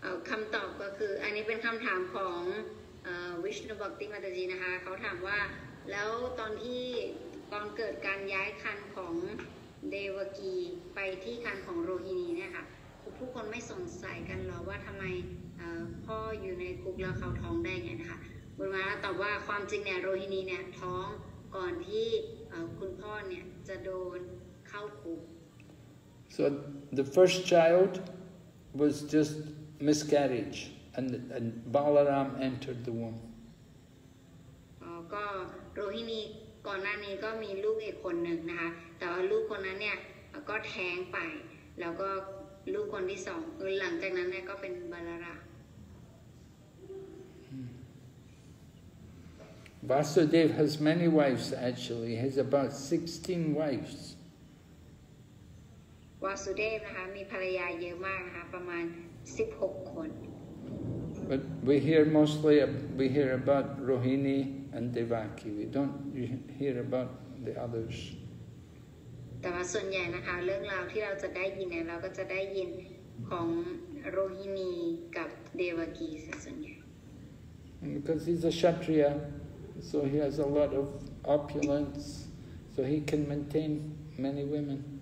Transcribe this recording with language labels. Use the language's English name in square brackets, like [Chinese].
[Thai] คำตอบก็คืออันนี้เป็นคำถามของวิชนุบักติมาตาจีนะคะเขาถามว่าแล้วตอนที่ตอนเกิดการย้ายคันของเดวากีไปที่คันของโรฮินีเนี่ยค่ะผู้คนไม่สงสัยกันหรอว่าทำไมพ่ออยู่ในคุกแล้วเขาท้องได้ไงนะคะบุญมาตอบว่าความจริงเนี่ยโรฮินีเนี่ยท้องก่อนที่คุณพ่อเนี่ยจะโดนเข้าคุก [English] so the first child was justmiscarriage and Balaram entered the womb. [Thai] ก็ Rohini ก่อนหน้านี้ก็มีลูกอีกคนหนึ่งนะคะแต่ว่าลูกคนนั้นเนี่ยก็แท้งไปแล้วก็ลูกคนที่สองหลังจากนั้นเนี่ยก็เป็น Balara. [English] Vasudev has many wives actually. He has about 16 wives. [Thai] Vasudev นะคะมีภรรยาเยอะมากนะคะประมาณ16คน [English] But we hear mostly we hear about Rohini and Devaki. We don't hear about the others. [Thai] แต่ว่าส่วนใหญ่นะคะเรื่องราวที่เราจะได้ยินเนี่ยเราก็จะได้ยินของโรฮินีกับเดวากีส่วนใหญ่ [English] Because he's a Kshatriya, so he has a lot of opulence, so he can maintain many women.